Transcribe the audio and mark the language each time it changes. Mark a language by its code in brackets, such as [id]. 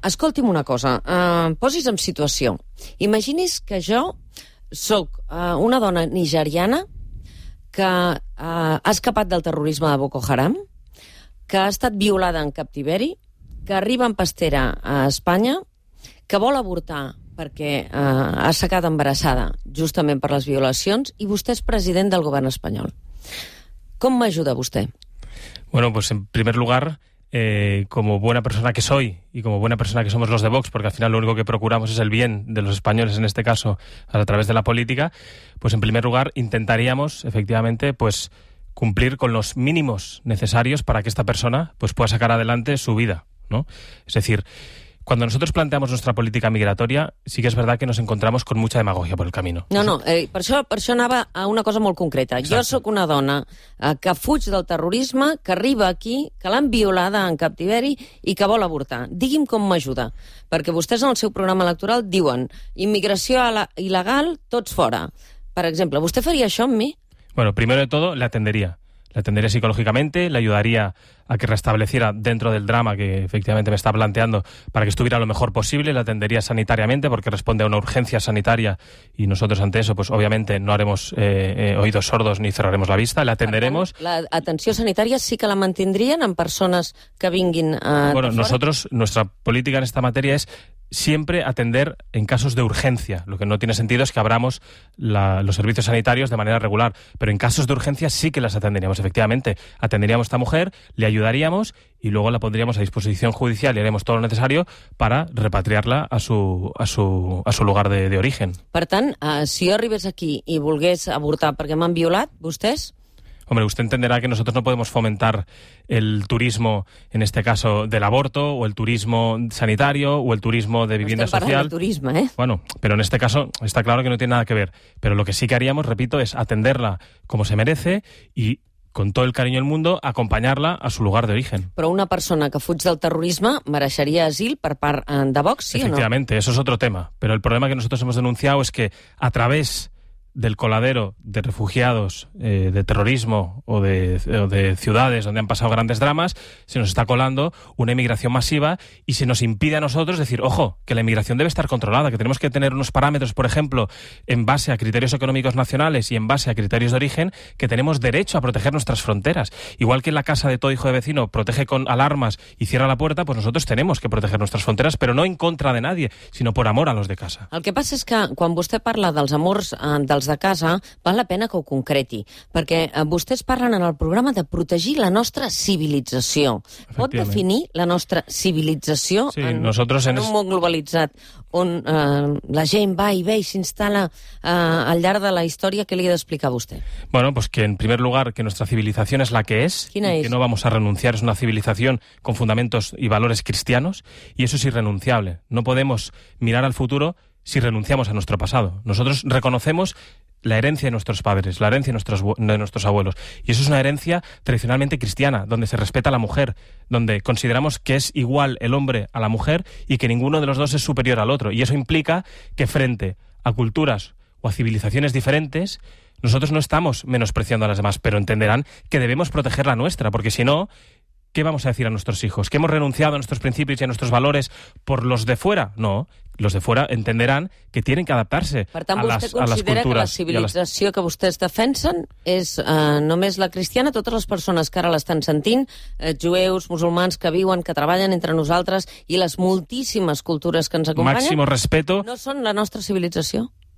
[ca] Escolti'm una cosa, posi's en situació. Imagini's que jo sóc una dona nigeriana que ha escapat del terrorisme de Boko Haram, que ha estat violada en captiveri, que arriba en pastera a Espanya, que vol avortar perquè ha assecat embarassada justament per les violacions, i vostè és president del govern espanyol. Com m'ajuda vostè? [es] Bueno, pues en primer lugar, como buena persona que soy y como buena persona que somos los de Vox, porque al final lo único que procuramos es el bien de los españoles, en este caso a través de la política, pues en primer lugar intentaríamos efectivamente pues cumplir con los mínimos necesarios para que esta persona pues pueda sacar adelante su vida, ¿no? Es decir, cuando nosotros planteamos nuestra política migratoria, sí que es verdad que nos encontramos con mucha demagogia por el camino. [ca] No, no, per això anava a una cosa molt concreta. Exacte. Jo sóc una dona que fuig del terrorisme, que arriba aquí, que l'han violada en captiveri i que vol avortar. Digui'm com m'ajuda, perquè vostès en el seu programa electoral diuen immigració il·legal, tots fora. Per exemple, vostè faria això amb mi? [es] Bueno, primero de todo, la atendería. La atendería psicológicamente, le ayudaría a que restableciera dentro del drama que efectivamente me está planteando para que estuviera lo mejor posible, la atendería sanitariamente porque responde a una urgencia sanitaria y nosotros ante eso pues obviamente no haremos oídos sordos ni cerraremos la vista, la atenderemos. [ca] La atenció sanitària sí que la mantindrien en persones que vinguin [es] Bueno, nosotros, nuestra política en esta materia es siempre atender en casos de urgencia. Lo que no tiene sentido es que abramos los servicios sanitarios de manera regular, pero en casos de urgencia sí que las atenderíamos, efectivamente. Atenderíamos a esta mujer, le ayudaríamos y luego la pondríamos a disposición judicial y haremos todo lo necesario para repatriarla a su lugar de origen. [ca] Per tant, si jo arribés aquí i volgués avortar perquè m'han violat, vostès... [es] Hombre, usted entenderá que nosotros no podemos fomentar el turismo, en este caso, del aborto, o el turismo sanitario, o el turismo de vivienda social. Estoy parando el turismo, ¿eh? Bueno, pero en este caso está claro que no tiene nada que ver. Pero lo que sí que haríamos, repito, es atenderla como se merece y, con todo el cariño del mundo, acompañarla a su lugar de origen. [ca] Però una persona que fuig del terrorisme mereixeria asil per part de Vox, sí o no? [es] Efectivamente, eso es otro tema. Pero el problema que nosotros hemos denunciado es que, a través del coladero de refugiados, de terrorismo o de ciudades donde han pasado grandes dramas, se nos está colando una emigración masiva y se nos impide a nosotros decir, ojo, que la emigración debe estar controlada, que tenemos que tener unos parámetros, por ejemplo, en base a criterios económicos nacionales y en base a criterios de origen, que tenemos derecho a proteger nuestras fronteras. Igual que en la casa de todo hijo de vecino protege con alarmas y cierra la puerta, pues nosotros tenemos que proteger nuestras fronteras, pero no en contra de nadie, sino por amor a los de casa. El que pasa es que cuando usted [ca] parla dels amors els de casa, val la pena que ho concreti, perquè vostès parlen en el programa de protegir la nostra civilització. Pot definir la nostra civilització en un món globalitzat on la gent va i ve i s'instal·la al llarg de la història? Què li ha d'explicar vostè? [es] Bueno, pues que en primer lugar que nuestra civilización es la que es. [ca] ¿Quina [es] es? Que no vamos a renunciar, es una civilización con fundamentos y valores cristianos y eso es irrenunciable. No podemos mirar al futuro si renunciamos a nuestro pasado. Nosotros reconocemos la herencia de nuestros padres, la herencia de nuestros abuelos. Y eso es una herencia tradicionalmente cristiana, donde se respeta a la mujer, donde consideramos que es igual el hombre a la mujer y que ninguno de los dos es superior al otro. Y eso implica que frente a culturas o a civilizaciones diferentes, nosotros no estamos menospreciando a las demás, pero entenderán que debemos proteger la nuestra, porque si no, ¿qué vamos a decir a nuestros hijos? ¿Que hemos renunciado a nuestros principios y a nuestros valores por los de fuera? No, los de fuera entenderán que tienen que adaptarse a las culturas. [ca] Per tant, vostè considera que la civilització que vostès defensen és només la cristiana? Totes les persones que ara l'estan sentint, jueus, musulmans que viuen, que treballen entre nosaltres i les moltíssimes cultures que ens acompanyen, [es] máximo respeto, [ca] no són la nostra civilització?